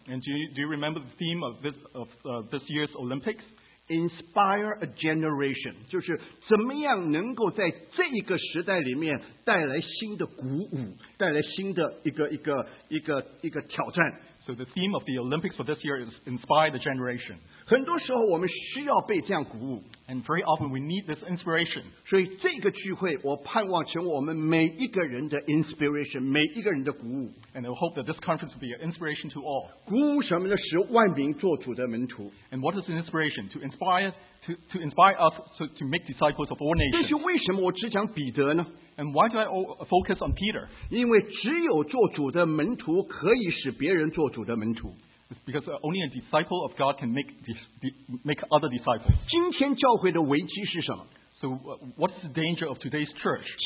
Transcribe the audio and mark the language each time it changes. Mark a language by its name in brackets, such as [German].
[English] And do you remember the theme of this year's Olympics? Inspire a generation, [Chinese] 就是怎么样能够在这一个时代里面带来新的鼓舞，带来新的一个挑战。 [English] So the theme of the Olympics for this year is inspire the generation. [Chinese] 很多时候我们需要被这样鼓舞。 [English] And very often we need this inspiration. [Chinese] 所以这个聚会我盼望成为我们每一个人的 inspiration, 每一个人的鼓舞。 [English] And I hope that this conference will be an inspiration to all. [Chinese] 鼓舞什么呢？使万民做主的门徒。 [English] And what is an inspiration? To inspire us to make disciples of all nations. [Chinese] 但是为什么我只讲彼得呢？ [English] And why do I focus on Peter? [Chinese] 因为只有做主的门徒可以使别人做主的门徒。 [English] It's because only a disciple of God can make other disciples. [Chinese] 今天教会的危机是什么？ [English] So what's the danger of today's church?